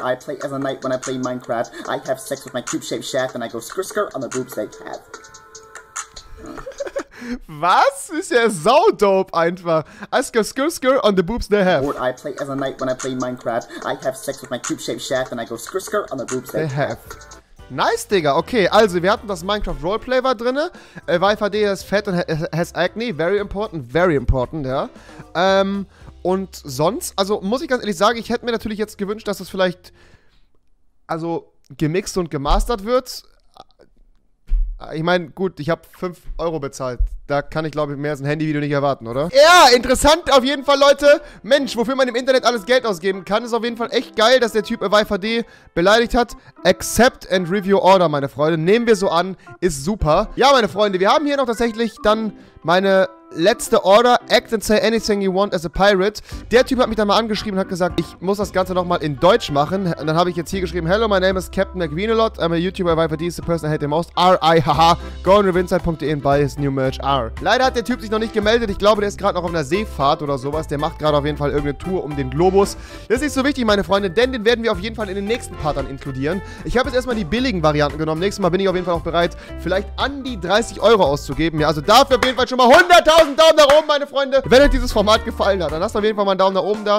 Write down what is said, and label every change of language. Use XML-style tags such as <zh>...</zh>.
<en>I play as a knight when I play Minecraft. I have sex with my cube-shaped shaft and I go skr-skr on the boobs they have.</en> <de>Was? Ist ja sau dope einfach.</de> <en>I go skr-skr on the boobs they have. Bored. I play as a knight when I play Minecraft. I have sex with my cube-shaped shaft and I go skr-skr on the boobs they have.</en> <de>Nice, Digga. Okay, also wir hatten das Minecraft Roleplay war drinne. Wi-Fi D ist fett und</de> <en>has acne. Very important,</en> <de>ja. Und sonst, also muss ich ganz ehrlich sagen, ich hätte mir natürlich jetzt gewünscht, dass das vielleicht, also gemixt und gemastert wird. Ich meine, gut, ich habe 5 Euro bezahlt. Da kann ich, glaube ich, mehr als ein Handyvideo nicht erwarten, oder? Ja, interessant auf jeden Fall, Leute. Mensch, wofür man im Internet alles Geld ausgeben kann, ist auf jeden Fall echt geil, dass der Typ WiFi-D beleidigt hat.</de> <en>Accept and review order,</en> <de>meine Freunde. Nehmen wir so an, ist super. Ja, meine Freunde, wir haben hier noch tatsächlich dann meine letzte Order.</de> <en>Act and say anything you want as a pirate.</en> <de>Der Typ hat mich dann mal angeschrieben und hat gesagt, ich muss das Ganze nochmal in Deutsch machen. Und dann habe ich jetzt hier geschrieben,</de> <en>hello, my name is Captain McVinalot. I'm a YouTuber, WiFi-D is the person I hate the most. R-I-H-H. Go on revinside.de and buy his new merch. R.</en> <de>Leider hat der Typ sich noch nicht gemeldet. Ich glaube, der ist gerade noch auf einer Seefahrt oder sowas. Der macht gerade auf jeden Fall irgendeine Tour um den Globus. Das ist nicht so wichtig, meine Freunde, denn den werden wir auf jeden Fall in den nächsten Part dann inkludieren. Ich habe jetzt erstmal die billigen Varianten genommen. Nächstes Mal bin ich auf jeden Fall auch bereit, vielleicht an die 30 Euro auszugeben. Ja, also dafür auf jeden Fall schon mal 100.000 Daumen nach oben, meine Freunde. Wenn euch dieses Format gefallen hat, dann lasst auf jeden Fall mal einen Daumen nach oben da.</de>